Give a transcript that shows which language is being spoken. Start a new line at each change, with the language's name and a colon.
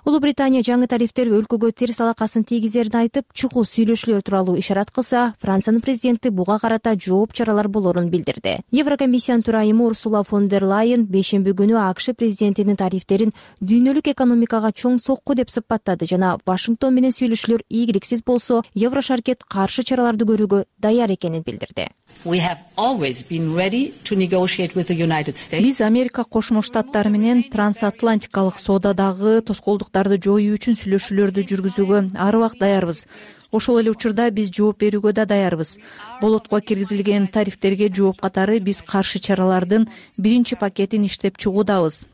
Kyrgyz: Улуу Британия жаңы тарифтер өлкөгө терс алакасын тийгизерин айтып, чукул сүйлөшүүлөр тууралуу ишарат кылса, Франциянын президенти буга карата жооп чаралар болорун билдирди. Еврокомиссиянын төрайымы Урсула фон дер Лайен бейшемби күнү АКШ президентинин тарифтерин дүйнөлүк экономикага чоң сокку деп сыпаттады жана Вашингтон менен сүйлөшүүлөр ийгиликсиз болсо, Еврошаркет каршы чараларды көрүүгө даяр экенин билдирди.
English: We have always been ready to negotiate with the United States.
Kyrgyz: Биз Америка Кошмо Штаттары менен трансатлантикалык соодадагы тоскоолдуктарды жоюу үчүн сүйлөшүүлөрдү жүргүзүүгө ар убакыт даярбыз. Ошол эле учурда биз жооп берүүгө да даярбыз. Болотко киргизилген тарифтерге жооп катары биз каршы чаралардын биринчи пакетин иштеп чыгуудабыз.